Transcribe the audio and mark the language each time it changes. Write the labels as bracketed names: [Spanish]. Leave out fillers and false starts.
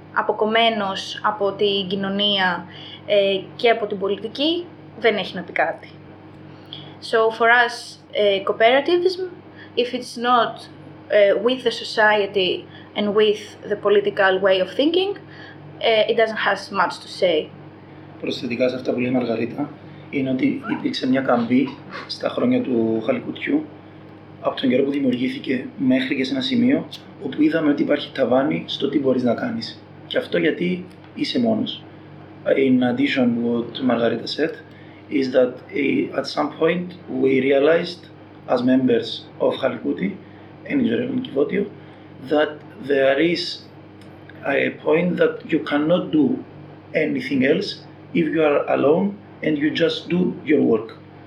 [Greek] αποκομμένος από την κοινωνία και από την πολιτική, δεν έχει να πει κάτι. [English] So for us, cooperativism, if it's not with the society and with the political way of thinking, it doesn't have much to say. [Greek] Προσθετικά σε αυτά που λέει η Μαργαρίτα, είναι ότι υπήρξε μια καμπή στα χρόνια του Χαλκουτιού, από τον καιρό που δημιουργήθηκε μέχρι και σε ένα σημείο, όπου είδαμε ότι υπάρχει ταβάνι στο τι μπορείς να κάνεις. Και αυτό γιατί είσαι μόνος. [English] In addition to what Margarita said, is that at some point we realized, as members of Halikuti, in Israel and Kivotio, that there is a point that you cannot do anything else if you are alone and you just do your work.